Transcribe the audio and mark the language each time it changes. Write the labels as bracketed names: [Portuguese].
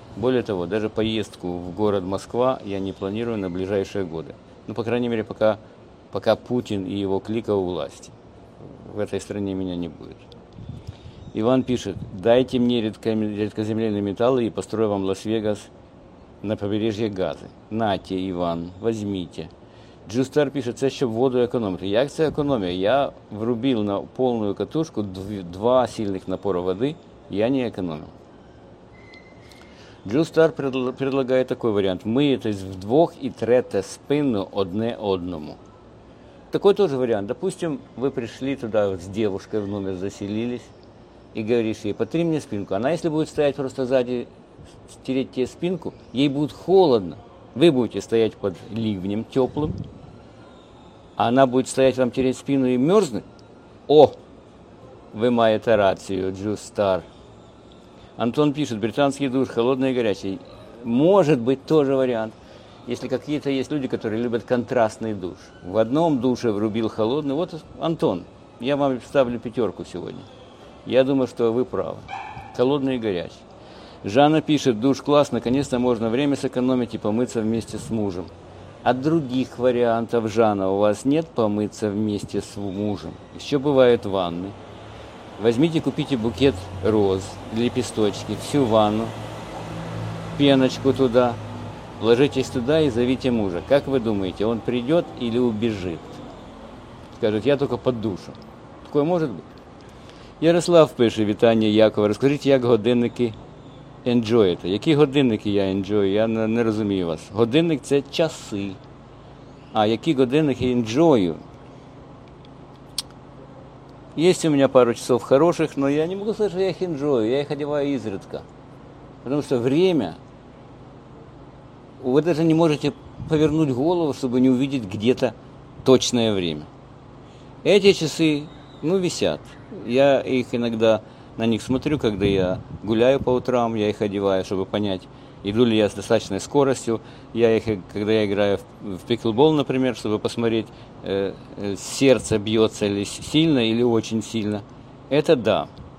[Russian] Более того, даже поездку в город Москва я не планирую на ближайшие годы. Ну, по крайней мере, пока Путин и его клика у власти. В этой стране меня не будет. Иван пишет, дайте мне редкоземельные металлы и построю вам Лас-Вегас на побережье Газы. Нате, Иван, возьмите. [Ukrainian] Джустар пишет, це ще воду економити. Як це економія? [Russian] Я врубил на полную катушку два сильных напора воды, я не экономил. [Ukrainian] Джустар предлагає такий варіант. Миєтесь вдвох і трете спину одне одному. Такий теж варіант. Допустим, ви прийшли туди з дівчиною, в номер заселились, і говориш їй, потри мені спинку. Вона, якщо буде стояти просто ззаді, стереть тебе спинку, їй буде холодно. Ви будете стояти під ливнем теплим, а вона буде стояти вам тереть спину і мерзнуть. О, ви маєте рацію, Джустар. [Russian] Антон пишет, британский душ, холодный и горячий. Может быть, тоже вариант. Если какие-то есть люди, которые любят контрастный душ. В одном душе врубил холодный. Вот, Антон, я вам ставлю 5 сегодня. Я думаю, что вы правы. Холодный и горячий. Жанна пишет, душ класс, наконец-то можно время сэкономить и помыться вместе с мужем. А других вариантов, Жанна, у вас нет помыться вместе с мужем? Еще бывают ванны. Возьмите, купите букет роз, лепесточки, всю ванну, пеночку туда, ложитесь туда и зовите мужа. Как вы думаете, он придет или убежит? Скажет, я только под душу. Такое может быть? [Ukrainian] Ярослав пише: вітання, Якове. Розкажіть, як годинники енджоєте? Які годинники я енджою? Я не розумію вас. Годинник – це часи. А які годинники енджою? Є у мене пару часів хороших, але я не можу сказати, що я їх енджою. Я їх одягаю ізрідка. Тому що час... Ви навіть не можете повернути голову, щоб не побачити [Russian] где-то [Ukrainian] точне время. [Russian] Эти часы, ну, висят. Я их иногда на них смотрю, когда я гуляю по утрам, я их одеваю, чтобы понять, иду ли я с достаточной скоростью. Я их, когда я играю в пиклбол, например, чтобы посмотреть, сердце бьется ли сильно или очень сильно. Это да.